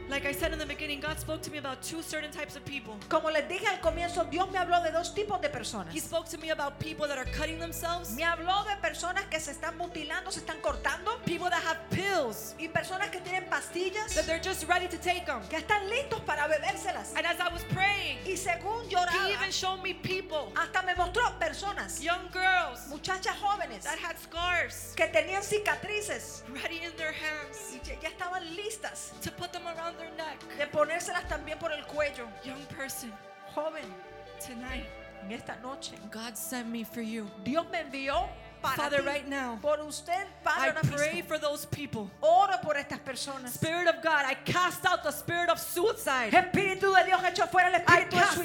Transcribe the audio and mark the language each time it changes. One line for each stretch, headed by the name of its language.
English: like I said in the beginning, God spoke to me about two certain types of people,
Spanish: como les dije al comienzo, Dios me habló de dos tipos de personas.
English: He spoke to me about people that are cutting themselves,
Spanish: me habló de personas que se están mutilando, se están cortando,
English: people that have pills,
Spanish: y personas que tienen pastillas,
English: that they're just ready to take them,
Spanish: que están listos para bebérselas.
English: And as I was praying,
Spanish: y según lloraba,
English: he even showed me people,
Spanish: hasta me mostró personas,
English: young girls,
Spanish: muchachas jóvenes,
English: that had scars,
Spanish: que tenían cicatrices,
English: ready in their hands,
Spanish: ya estaban listas,
English: to put them around their neck,
Spanish: de ponérselas también por el cuello.
English: Young person,
Spanish: joven,
English: tonight,
Spanish: en esta noche,
English: God sent me for you,
Spanish: Dios me envió,
English: Father, right now,
Spanish: por usted, Padre,
English: I pray for those people.
Spanish: Oro por estas personas.
English: Spirit of God, I cast out the spirit of suicide.
Spanish: Espíritu de Dios, echo fuera el espíritu de suicidio.